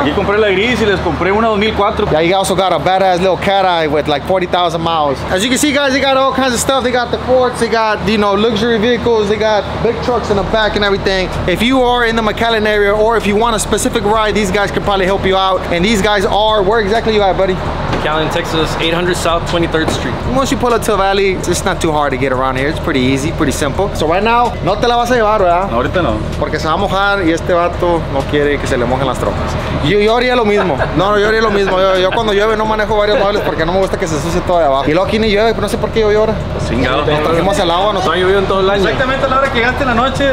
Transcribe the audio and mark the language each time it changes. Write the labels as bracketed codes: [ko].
[es] Aquí compré la gris y les compré una 2004. [en] Yeah, you also got a badass little cat eye with like 40,000 miles. As you can see, guys, they got all kinds of stuff. They got the Forts, they got, you know, luxury vehicles, they got big trucks in the back and everything. If you are in the McAllen area, or if you want a specific ride, these guys can probably help you out. And these guys are, where exactly you at, buddy? McAllen, Texas, 800 South 23rd Street. Once you pull up to the valley, it's not too hard to get around here. It's pretty easy, pretty simple. So right now, [es] no te la vas a llevar, ¿verdad? No, ahorita no. Porque se va a mojar y este vato no quiere que se le mojen las tropas. Yo haría lo mismo. No, yo haría lo mismo. Yo cuando llueve no manejo varios muebles porque no me gusta que se suce todo de abajo. Y luego aquí ni llueve, pero no sé por qué llueve ahora. Sí, claro. Nos trajimos el agua. Ha llovido en todo el año. Exactamente a la hora que llegaste la noche.